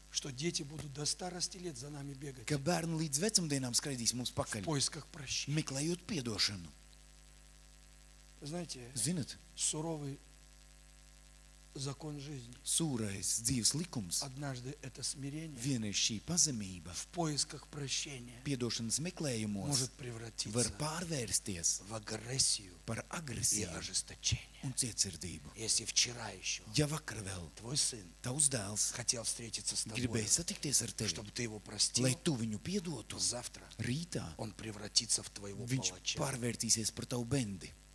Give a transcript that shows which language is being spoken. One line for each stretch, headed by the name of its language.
Russian: что дети будут до старости лет за нами бегать,
Latvian: ka bērni līdz vecumdienām skraidīs mums pakaļ,
Russian: в поисках прощения,
Latvian: meklējot piedošanu.
Russian: Знаете,
Latvian: Zinat,
Russian: суровый закон жизни,
Latvian: sūrais dzīves likums,
Russian: однажды это смирение,
Latvian: vienreiz šī pazemība,
Russian: в поисках прощения,
Latvian: piedošanas meklējumos,
Russian: может превратиться,
Latvian: var pārvērsties,
Russian: в агрессию,
Latvian: par агрессию,
Russian: и ожесточение.
Latvian: Un cietsirdību.
Russian: Если вчера еще,
Latvian: ja vakar vēl,
Russian: твой сын,
Latvian: tavs dēls,
Russian: хотел встретиться с тобой,
Latvian: gribēja satikties ar tevi,
Russian: чтобы ты его простил,
Latvian: lai tu viņu piedotu,
Russian: завтра,
Latvian: rītā,
Russian: он превратится в твоего
Latvian: viņš
Russian: палача.
Latvian: Pārvērtīsies par tavu bendi.